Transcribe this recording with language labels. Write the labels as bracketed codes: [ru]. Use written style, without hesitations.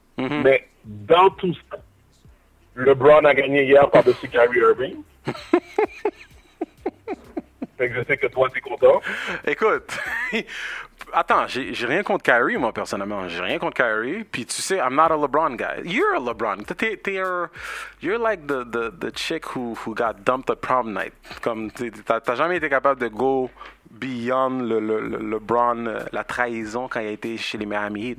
[fr] Mais dans tout ça, LeBron a gagné hier par-dessus Kyrie Irving. Fait que je sais que toi, t'es content. Écoute, attends, j'ai rien contre Kyrie, moi, personnellement. J'ai rien contre Kyrie. Puis tu sais, [en] I'm not a LeBron guy. You're a LeBron. You're like the chick who got dumped at prom night. [fr] Comme, t'as jamais été capable de [en] go beyond [fr] le LeBron, la trahison quand il a été chez les Miami Heat.